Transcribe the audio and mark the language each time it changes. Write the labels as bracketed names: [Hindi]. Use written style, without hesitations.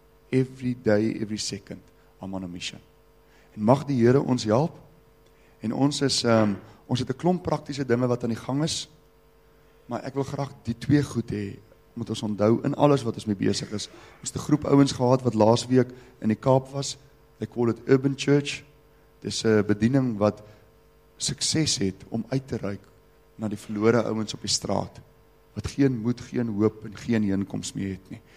[English] Every day, every second, I'm on a mission. [Afrikaans] En mag die Here ons help. En ons is, ons het 'n klomp praktiese dinge wat aan die gang is. Maar ek wil graag die twee goed hê, moet ons onthou in alles wat ons mee besig is. Ons het 'n groep ouens gehad wat laas week in die Kaap was. [English] They call it Urban Church. [Afrikaans] Dis 'n bediening wat sukses het om uit te reik na die verlore ouens op die straat. Wat geen moed, geen hoop en geen heenkoms meer het nie.